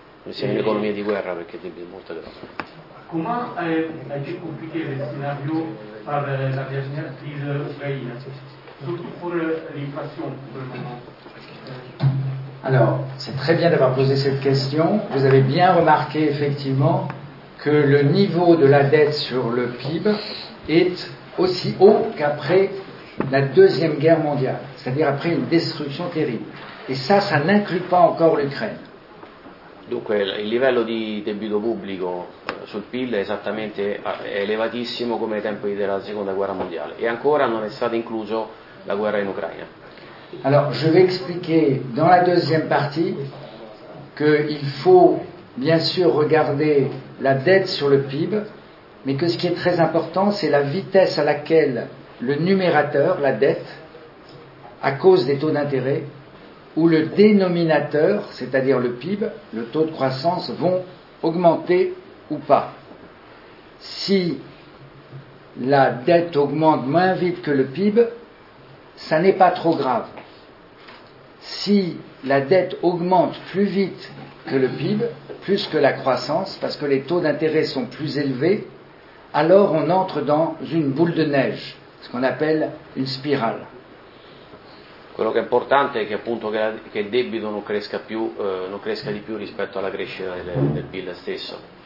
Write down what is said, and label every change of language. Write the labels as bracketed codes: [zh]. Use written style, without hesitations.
[it] siamo in economia di guerra, perché debito molto grosso. Come è più complicato il scenario per la [fr] dernière crise [it] ucraina, soprattutto per l'inflazione per il momento? [fr] Alors, c'est très bien d'avoir posé cette question. Vous avez bien remarqué effectivement que le niveau de la dette sur le PIB est aussi haut qu'après la Deuxième Guerre mondiale, c'est-à-dire après une destruction terrible. Et ça, ça n'inclut pas encore l'Ukraine. [it] Donc, il livello di debito pubblico sul PIL è esattamente elevatissimo come ai tempi della Seconda Guerra mondiale. E ancora non è stato incluso la guerra in Ucraina. [fr] Alors, je vais expliquer dans la deuxième partie qu'il faut bien sûr regarder la dette sur le PIB, mais que ce qui est très important, c'est la vitesse à laquelle le numérateur, la dette, à cause des taux d'intérêt, ou le dénominateur, c'est-à-dire le PIB, le taux de croissance, vont augmenter ou pas. Si la dette augmente moins vite que le PIB, ça n'est pas trop grave. Si la dette augmente plus vite que le PIB, plus que la croissance, parce que les taux d'intérêt sont plus élevés, alors on entre dans une boule de neige, ce qu'on appelle une spirale. [it] Quello che è importante è che appunto che il debito non cresca più, non cresca di più rispetto alla crescita del PIL stesso.